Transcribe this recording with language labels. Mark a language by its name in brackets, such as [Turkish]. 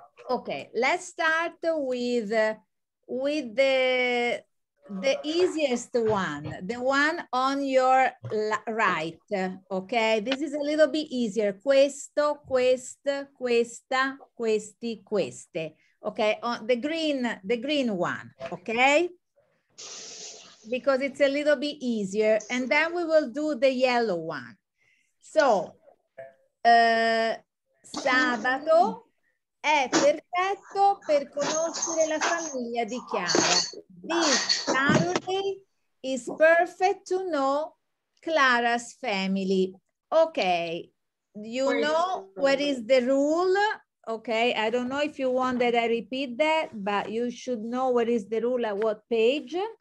[English] Okay, let's start with the easiest one, the one on your right, okay? This is a little bit easier. [Italian] Questo, questa, questa, questi, queste. [English] Okay, on the green one, okay? Because it's a little bit easier. And then we will do the yellow one. [Italian] So, sabato è perfetto per conoscere la famiglia di Chiara. [English] This Saturday is perfect to know Clara's family. Okay, you know what is the rule? Okay, I don't know if you want that I repeat that, but you should know what is the rule at what page.